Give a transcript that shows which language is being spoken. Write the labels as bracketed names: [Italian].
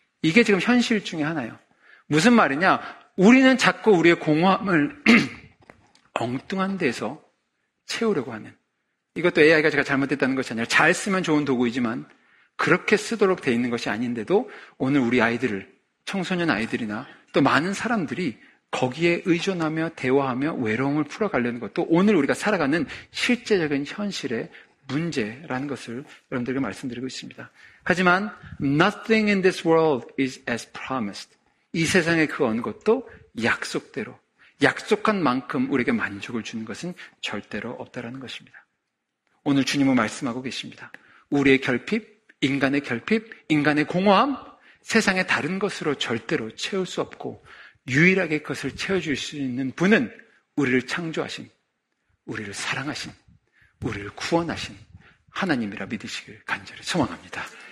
[Korean] 이게 지금 현실 중에 하나예요. 무슨 말이냐, 우리는 자꾸 우리의 공허함을 엉뚱한 데서 채우려고 하는, 이것도 AI가 제가 잘못됐다는 것이 아니라 잘 쓰면 좋은 도구이지만 그렇게 쓰도록 돼 있는 것이 아닌데도 오늘 우리 아이들을, 청소년 아이들이나 또 많은 사람들이 거기에 의존하며 대화하며 외로움을 풀어가려는 것도 오늘 우리가 살아가는 실제적인 현실의 문제라는 것을 여러분들에게 말씀드리고 있습니다. 하지만 [English] Nothing in this world is as promised. [Korean] 이 세상의 그 어느 것도 약속대로, 약속한 만큼 우리에게 만족을 주는 것은 절대로 없다라는 것입니다. 오늘 주님은 말씀하고 계십니다. 우리의 결핍, 인간의 결핍, 인간의 공허함, 세상의 다른 것으로 절대로 채울 수 없고 유일하게 그것을 채워줄 수 있는 분은 우리를 창조하신, 우리를 사랑하신, 우리를 구원하신 하나님이라 믿으시길 간절히 소망합니다.